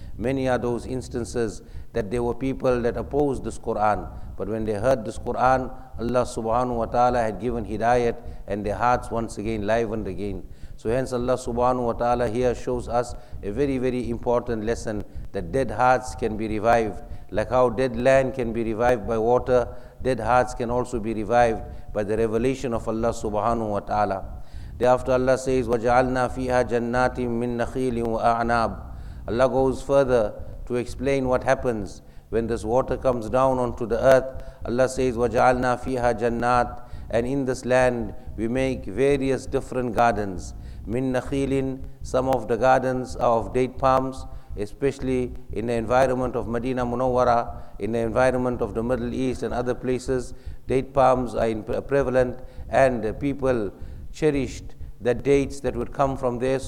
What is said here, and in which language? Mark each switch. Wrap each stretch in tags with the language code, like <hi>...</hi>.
<en>Many are those instances that there were people that opposed this Quran, but when they heard this Quran, Allah subhanahu wa ta'ala had given hidayat and their hearts once again livened again. So hence Allah subhanahu wa ta'ala here shows us a very, very important lesson, that dead hearts can be revived. Like how dead land can be revived by water, dead hearts can also be revived by the revelation of Allah subhanahu wa ta'ala. Thereafter Allah says,</en> <ar>وَجَعَلْنَا فِيهَا جَنَّاتٍ مِّن نَخِيلٍ وَأَعْنَابٍ.</ar> <en>Allah goes further to explain what happens when this water comes down onto the earth. Allah says,</en> <ar>وَجَعَلْنَا فِيهَا جَنَّاتٍ.</ar> <en>And in this land, we make various different gardens.</en> <ar>مِن نَخِيلٍ.</ar> <en>Some of the gardens are of date palms, especially in the environment of Medina Munawwara, in the environment of the Middle East and other places, date palms are prevalent, and people cherished the dates that would come from there.</en>